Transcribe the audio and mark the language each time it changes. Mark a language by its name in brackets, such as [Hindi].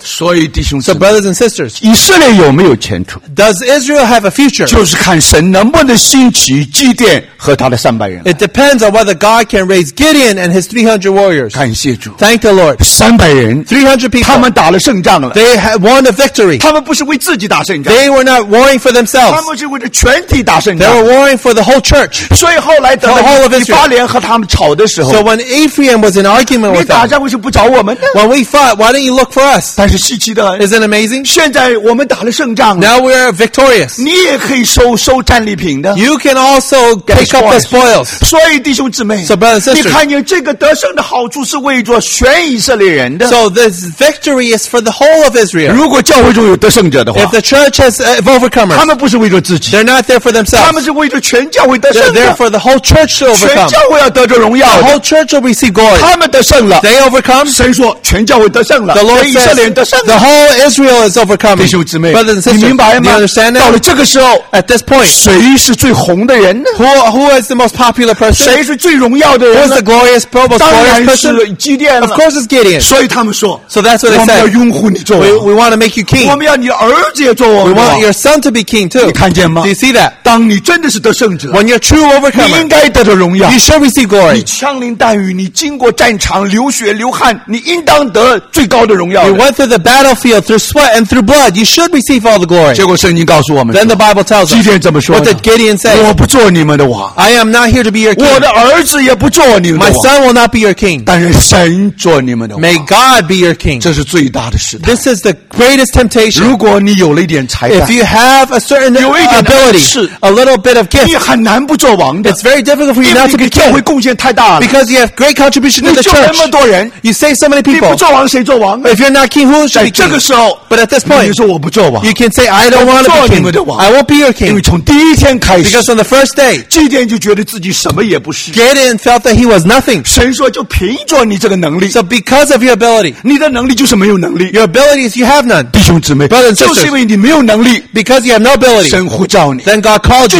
[Chinese] 所以弟兄姊妹， [English] so brothers and sisters, [Chinese] 以色列有没有前途？ [English] Does Israel have a future? [Chinese] 就是看神能不能兴起基甸和他的300人。 [English] It depends on whether God can raise Gideon and his 300 warriors. [Chinese] 感谢主。 [English] Thank the Lord. [Chinese] 300人。 [English] 300 people. [Chinese] 他们打了胜仗了。 [English] They won a victory. [Chinese] 他们不是为自己打胜仗。 [English] They were not warring for themselves. [Chinese] 他们是为着全体打胜 [English] 仗。They were warring for the whole church. [Chinese] 所以后来等到 [English] So when Ephraim was in argument with them, when we fought, why didn't you look for us? [Chinese] 但是稀奇的很， [English] isn't it amazing? [Chinese] 现在我们打了胜仗了， [English] now we are victorious. [Chinese] 你也可以收战利品的， [English] you can also pick up the spoils. [Chinese] 所以弟兄姊妹， [English] so brothers and sisters, [Chinese] 你看你这个得胜的好处是为着全以色列人的， [English] so this victory is for the whole of Israel. [Chinese] 如果教会中有得胜者的话， [English] if the church has overcomers, [Chinese] 他们不是为着自己， [English] they're not there for themselves. [Chinese] 他们是为着全教会得胜的， [English] they're there for the whole church. [Chinese] 全教会要得着荣耀， [English] the whole church will receive glory. [Chinese] 他们得胜了， [English] they overcome. [Chinese] 神说全教会得胜了， [English] the Lord says, [Chinese] 以色列人得胜了， [English] the whole Israel is overcoming. [Chinese] 弟兄姊妹， [English] brothers and sisters, [Chinese] 你明白吗？ [English] you understand that? [Chinese] 到了这个时候， [English] at this point, [Chinese] 谁是最红的人呢？ [English] who is the most popular person? [Chinese] 谁是最荣耀的人呢？ [English] who is the glorious person? [Chinese] 当然是基甸了， [English] of course it's Gideon. [Chinese] 所以他们说， [English] so that's what they said. [Chinese] 我们要拥护你做王， [English] we want to make you king. [Chinese] 我们要你儿子也做王， [English] we want your son to be king too. [Chinese] 你看见吗？ [English] do you see that? [Chinese] 当你真的是得胜者， [English] when you're true overcomer, [Chinese] 你应该得着荣耀， [English] you shall receive glory. [Chinese] 你枪林弹雨，你经过战场流血流汗，你应当得最高的荣耀的。 [English] You went through the battlefield through sweat and through blood. You should receive all the glory. [Chinese] 结果圣经告诉我们， [English] then the Bible tells us. [Chinese] 基甸怎么说呢？ [English] What did Gideon say? [Chinese] 我不做你们的王。 [English] I am not here to be your king. [Chinese] 我的儿子也不做你们的王。 [English] My son will not be your king. [Chinese] 但是神做你们的王。 [English] May God be your king. [Chinese] 这是最大的试探。 [English] This is the greatest temptation. [Chinese] 如果你有了一点才干， [English] if you have a certain ability, a little bit of gift, [Chinese] 你很难不做王的。 [English] It's very difficult for you not to be king. [Chinese] 教会贡献太大了。 [English] Because you have great contribution to the church. [Chinese] 你救那么多人。 [English] You save so many people. [Chinese] 你不做王谁做王呢？ [English] If you're not king, who should be king? [Chinese] 这个时候， [English] but at this point, [Chinese] 你说我不做王。 [English] You can say, I don't want to be king. [Chinese] 我不做你们的王。 [English] I won't be your king. [Chinese] 因为从第一天开始。 [English] Because on the first day, [Chinese] 基甸就觉得自己什么也不是。 [English] Gideon felt that he was nothing. [Chinese] 神说就凭着你这个能力。 [English] So because of your ability, [Chinese] 你的能力就是没有能力。 [English] Your ability is you have none. [Chinese] 弟兄姊妹， [English] brothers and sisters, [Chinese] 就是因为你没有能力。 [English] Because you have no ability, [Chinese] 神呼召你。 [English] Then God called you.